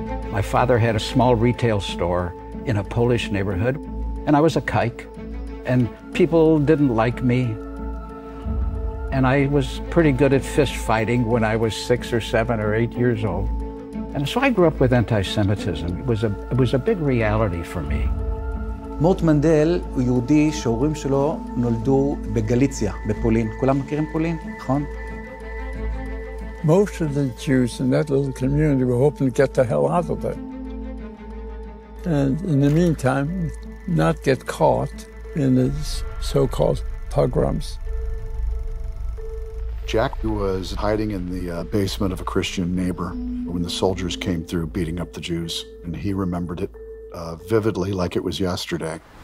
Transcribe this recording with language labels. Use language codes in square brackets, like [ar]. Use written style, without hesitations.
[en] My father had a small retail store in a Polish neighborhood, and I was a kike, and people didn't like me. And I was pretty good at fist fighting when I was 6 or 7 or 8 years old. And so I grew up with anti-Semitism. It was a big reality for me. [he] Mort Mandel הוא יהודי שההורים שלו נולדו בגליציה, בפולין. כולם מכירים פולין, נכון? [en] Most of the Jews in that little community were hoping to get the hell out of there. And in the meantime, not get caught in the so-called pogroms. Jack was hiding in the basement of a Christian neighbor when the soldiers came through beating up the Jews, and he remembered it vividly like it was yesterday.